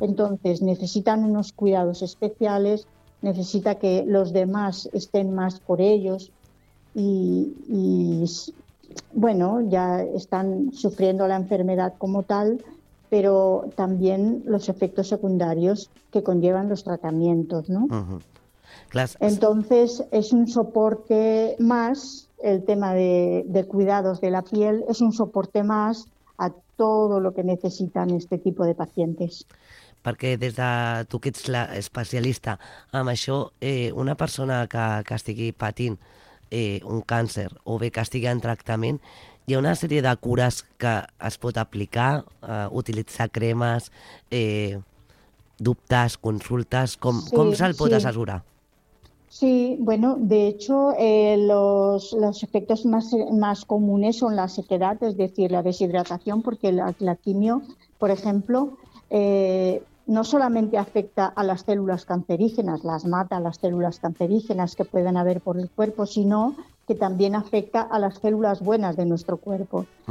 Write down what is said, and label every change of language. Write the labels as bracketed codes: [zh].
[es] Entonces necesitan unos cuidados especiales, necesita que los demás estén más por ellos y bueno, ya están sufriendo la enfermedad como tal, pero también los efectos secundarios que conllevan los tratamientos, ¿no? Entonces es un soporte más, el tema de cuidados de la piel, es un soporte más a todo lo que necesitan este tipo de pacientes. [ca] Perquè des de tu que ets l'especialista en això, una persona que estigui patint un càncer o bé que estigui en tractament, hi ha una sèrie de cures que es pot aplicar, utilitzar cremes, dubtes, consultes, com se'l pot assessorar? [es] Sí, bueno, de hecho, los efectos más comunes son la sequedad, es decir, la deshidratación, porque la quimio, por ejemplo, no solamente afecta a las células cancerígenas, las mata a las células cancerígenas que pueden haber por el cuerpo, sino que también afecta a las células buenas de nuestro cuerpo.